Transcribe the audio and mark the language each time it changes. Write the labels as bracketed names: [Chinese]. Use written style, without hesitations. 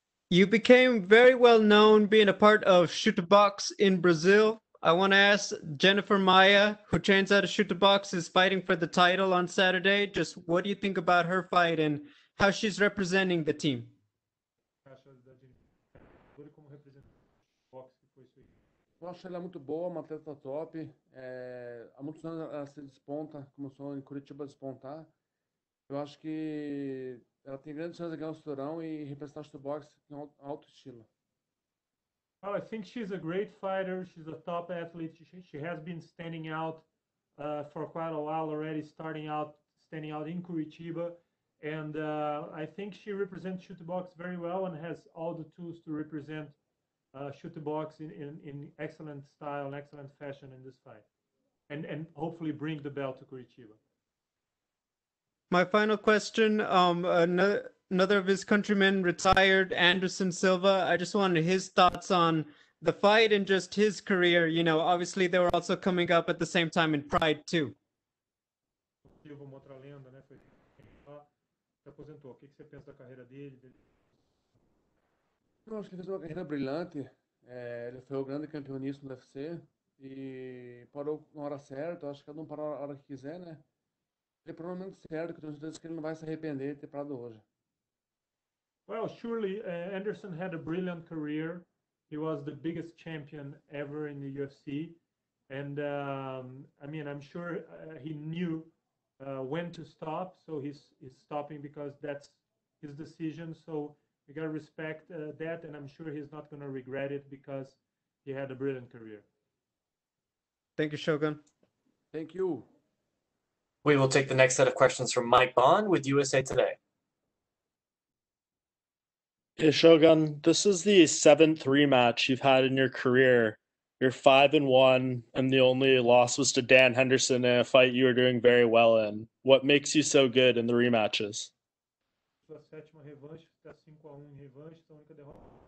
[English] You became very well known being a part of Shootbox in Brazil. I want to ask Jennifer Maia, who trains out of Shootbox, is fighting for the title on Saturday. Just what do you think about her fight and how she's representing the team? [Portuguese] Da Jennifer e como representante do boxe, que foi isso aí. Eu acho ela muito boa, uma atleta top. Há muitos anos ela se desponta, começou em Curitiba a despontar. Eu acho que ela tem grandes chances de ganhar o cinturão e representar o boxe em alto estilo. [English] Well, I think she's a great fighter. She's a top athlete. She has been standing out for quite a while already, standing out in Curitiba. And I think she represents Shootbox very well and has all the tools to represent Shootbox in excellent style and excellent fashion in this fight. And hopefully bring the belt to Curitiba. My final question, another of his countrymen retired, Anderson Silva. I just wanted his thoughts on the fight and just his career. You know, obviously they were also coming up at the same time in Pride too. [Portuguese] Silva, uma outra lenda, né? Foi lá, se aposentou. O que você pensa da carreira dele? Eu acho que ele fez uma carreira brilhante. Ele foi o grande campeonista no UFC e parou na hora certa. Eu acho que ele não parou na hora que quiser, né? Ele parou no momento certo, que eu tenho certeza que ele não vai se arrepender de ter parado hoje. [English] Well, surely Anderson had a brilliant career. He was the biggest champion ever in the UFC. And I mean, I'm sure he knew when to stop. So he's stopping because that's his decision. So we gotta respect that. And I'm sure he's not gonna regret it because he had a brilliant career. Thank you, Shogun. Thank you. We will take the next set of questions from Mike Bond with USA Today. Hey Shogun, this is the seventh rematch you've had in your career. You're 5-1, and the only loss was to Dan Henderson in a fight you were doing very well in. What makes you so good in the rematches? [Portuguese] Sua sétima revanche, está 5-1 em revanche, sua única derrota.